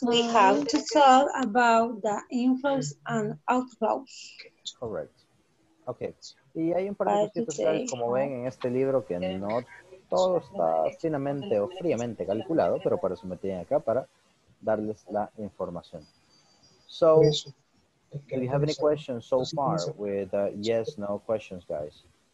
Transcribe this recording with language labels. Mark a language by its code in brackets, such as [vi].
[en] we have to talk about the inflows and outflows. Correct. Okay. [es] Y hay un par de cositas, como ven en este libro, que no todo está finamente o fríamente calculado, pero para eso me tienen acá para darles la información. [en] So, do you have any questions so far with yes, no questions, guys?